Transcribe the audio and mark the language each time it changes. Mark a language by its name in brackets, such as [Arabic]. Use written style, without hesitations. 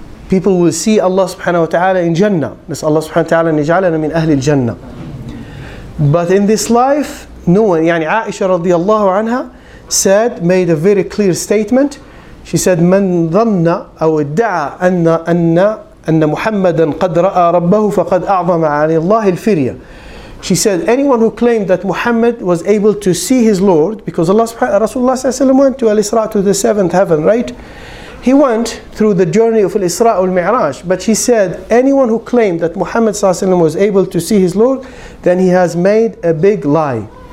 [English] People will see Allah subhanahu wa ta'ala in Jannah. [Arabic] Nas'al Allah subhanahu wa ta'ala nij'alana min ahli al-Jannah. [English] But in this life, no one, yani Aisha radiallahu anha, said, made a very clear statement. She said, [Arabic] man dhanna aw idda'a anna أن محمدا قد رأى ربه فقد أعظم على الله الفرية. [English] She said, anyone who claimed that Muhammad was able to see his Lord, because Rasulullah went to Al-Isra, to the seventh heaven, right? He went through the journey of Al-Isra al-Mi'raj. But she said, anyone who claimed that Muhammad was able to see his Lord, then he has made a big lie.